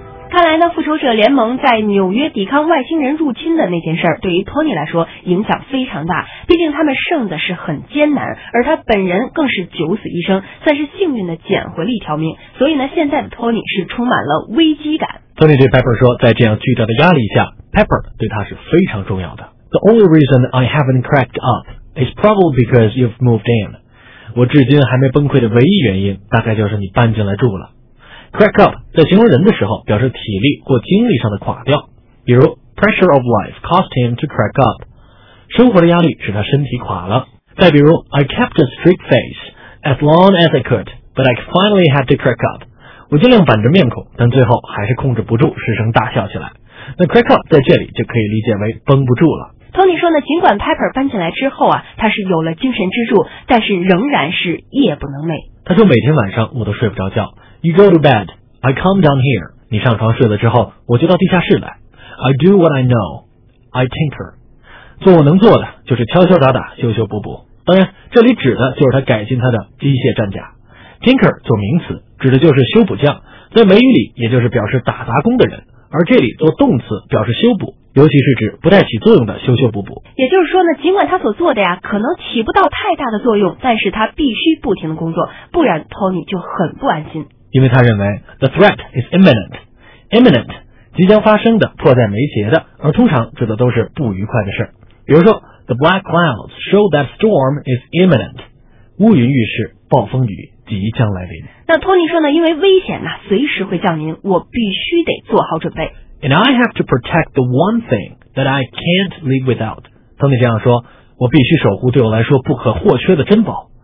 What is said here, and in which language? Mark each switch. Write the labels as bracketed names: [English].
[Chinese] 看来呢，复仇者联盟在纽约抵抗外星人入侵的那件事儿，对于托尼来说影响非常大。毕竟他们胜的是很艰难，而他本人更是九死一生，算是幸运的捡回了一条命。所以呢，现在的托尼是充满了危机感。托尼对 Pepper 说，在这样巨大的压力下 ，Pepper 对他是非常重要的。 [English] The only reason I haven't cracked up is probably because you've moved in. [Chinese] 我至今还没崩溃的唯一原因，大概就是你搬进来住了。 Crack up 在形容人的时候表示体力或精力上的垮掉，比如 [English] pressure of life caused him to crack up， [Chinese] 生活的压力使他身体垮了。再比如 [English] I kept a straight face as long as I could but I finally had to crack up， [Chinese] 我尽量板着面孔但最后还是控制不住失声大笑起来。那 crack up 在这里就可以理解为绷不住了。 Tony 说呢，尽管 Pepper 搬进来之后啊，他是有了精神支柱，但是仍然是夜不能寐。他说每天晚上我都睡不着觉。 [English] You go to bed, I come down here. [Chinese] 你上床睡了之后，我就到地下室来。 [English] I do what I know, I tinker. [Chinese] 做我能做的，就是敲敲打打，修修补补。当然，这里指的就是他改进他的机械战甲。Tinker 做名词，指的就是修补匠，在美语里也就是表示打杂工的人。而这里做动词表示修补，尤其是指不带起作用的修修补补。也就是说呢，尽管他所做的呀可能起不到太大的作用，但是他必须不停的工作，不然 Tony 就很不安心。因为他认为 [English] the threat is imminent， [Chinese] imminent 即将发生的，迫在眉睫的，而通常指的都是不愉快的事。比如说 [English] the black clouds show that storm is imminent， [Chinese] 乌云预示暴风雨即将来临。那托尼说呢，因为危险呢随时会降临，我必须得做好准备。 [English] And I have to protect the one thing that I can't live without。 [Chinese] 托尼这样说，我必须守护对我来说不可或缺的珍宝。